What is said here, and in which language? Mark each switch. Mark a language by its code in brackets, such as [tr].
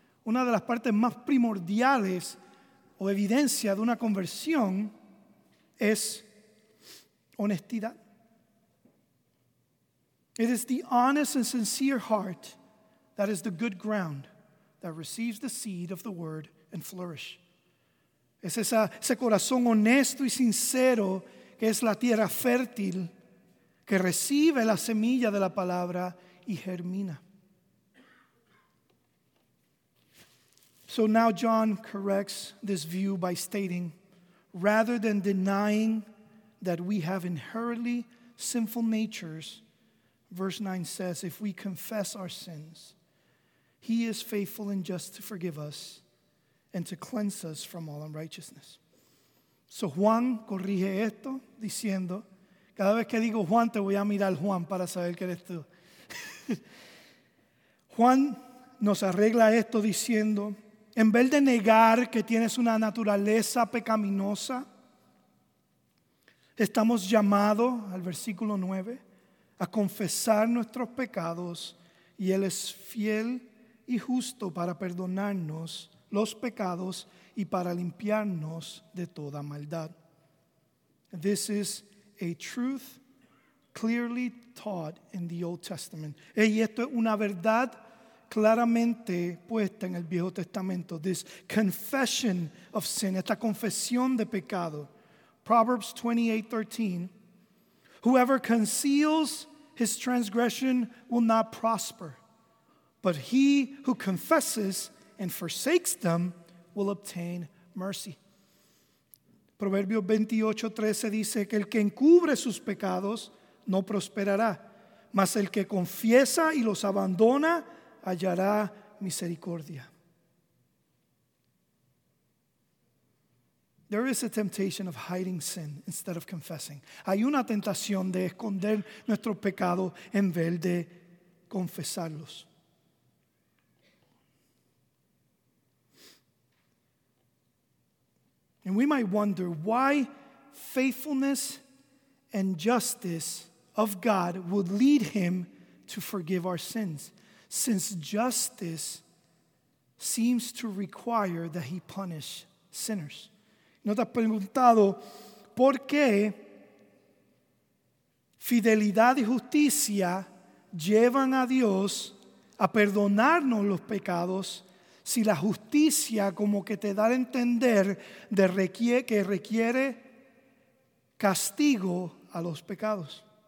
[es] Una de las partes más primordiales o evidencia de una conversión es honestidad. [en] It is the honest and sincere heart that is the good ground that receives the seed of the word and flourish. [es] Es ese corazón honesto y sincero que es la tierra fértil que recibe la semilla de la palabra y germina. [en] So now John corrects this view by stating, rather than denying that we have inherently sinful natures, verse 9 says, if we confess our sins, he is faithful and just to forgive us and to cleanse us from all unrighteousness. [es] So Juan corrige esto diciendo, cada vez que digo Juan, te voy a mirar Juan para saber que eres tú. Juan nos arregla esto diciendo, en vez de negar que tienes una naturaleza pecaminosa, estamos llamados, al versículo 9, a confesar nuestros pecados, y Él es fiel y justo para perdonarnos los pecados y para limpiarnos de toda maldad. [en] This is a truth clearly taught in the Old Testament. [es] Y esto es una verdad claramente puesta en el Viejo Testamento. [en] This confession of sin, [es] esta confesión de pecado. [en] Proverbs 28:13. Whoever conceals his transgression will not prosper, but he who confesses and forsakes them will obtain mercy. [es] Proverbios 28:13 dice que el que encubre sus pecados no prosperará, mas el que confiesa y los abandona hallará misericordia. [en] There is a temptation of hiding sin instead of confessing. [es] Hay una tentación de esconder nuestros pecados en vez de confesarlos. [en] And we might wonder why faithfulness and justice of God would lead him to forgive our sins, since justice seems to require that he punish sinners. [es] ¿No te has preguntado por qué fidelidad y justicia llevan a Dios a perdonarnos los pecados si la justicia como que te da a entender de que requiere castigo a los pecados.